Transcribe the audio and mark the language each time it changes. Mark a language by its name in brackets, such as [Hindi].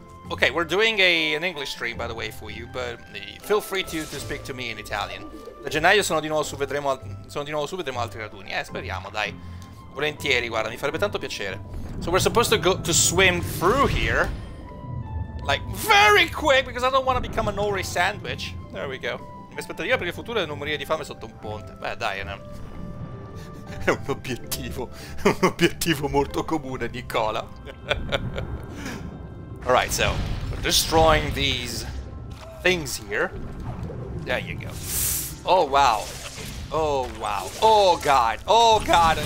[English] Okay, we're doing an English stream, by the way, for you, but feel free to speak to me in Italian. [Italian] Da gennaio sono di nuovo su, vedremo altri raduni. Speriamo, dai. Volentieri, guarda, mi farebbe tanto piacere. [English] So we're supposed to go to swim through here. Like, very quick, because I don't want to become an ORI sandwich. There we go. [Italian] Mi aspettavo per il futuro di non morire di fame sotto un ponte. Beh, dai, no. È un obiettivo. È un obiettivo molto comune, Nicola. [English] Alright, so, we're destroying these things here. There you go. Oh, wow. Oh, wow. Oh, God. Oh, God.